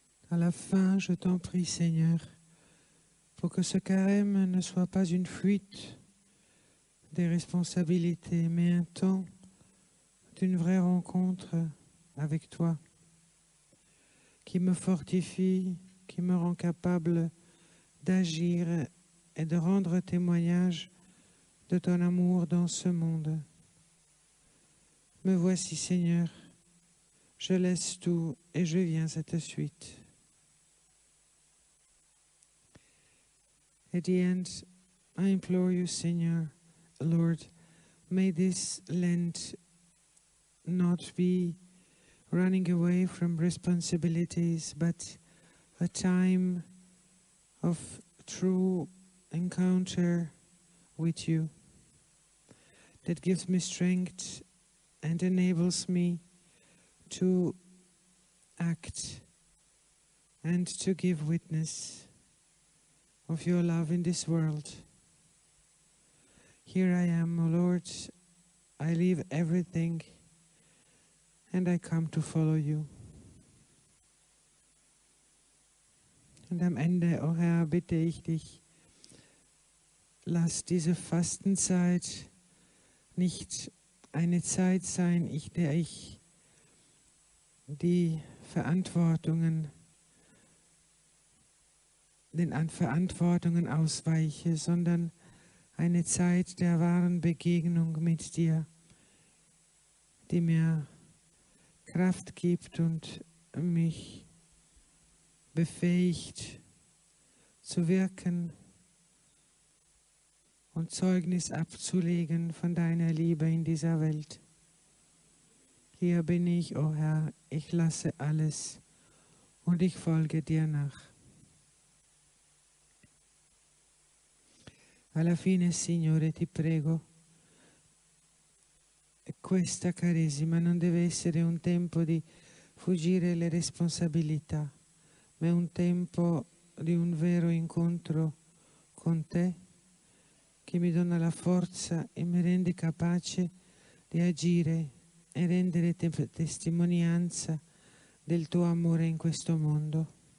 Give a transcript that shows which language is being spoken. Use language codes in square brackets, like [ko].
[fr] À la fin, je t'en prie, Seigneur, pour que ce carême ne soit pas une fuite des responsabilités, mais un temps d'une vraie rencontre avec toi, qui me fortifie, qui me rend capable d'agir et de rendre témoignage de ton amour dans ce monde. Me voici, Seigneur, je laisse tout et je viens à ta suite. [en] At the end, I implore you, Seigneur, Lord, may this Lent not be running away from responsibilities, but a time of true encounter with you that gives me strength and enables me to act and to give witness of your love in this world. Here I am, O Lord, I leave everything and I come to follow you. [de] Und am Ende, O Herr, bitte ich dich, lass diese Fastenzeit nicht eine Zeit sein, der ich die Verantwortungen den Verantwortungen ausweiche, sondern eine Zeit der wahren Begegnung mit dir, die mir Kraft gibt und mich befähigt zu wirken und Zeugnis abzulegen von deiner Liebe in dieser Welt. Hier bin ich, o Herr, ich lasse alles und ich folge dir nach. [it] Alla fine, Signore, ti prego, questa Caresima non deve essere un tempo di fuggire le responsabilità, ma è un tempo di un vero incontro con te che mi dona la forza e mi rende capace di agire e rendere testimonianza del tuo amore in questo mondo.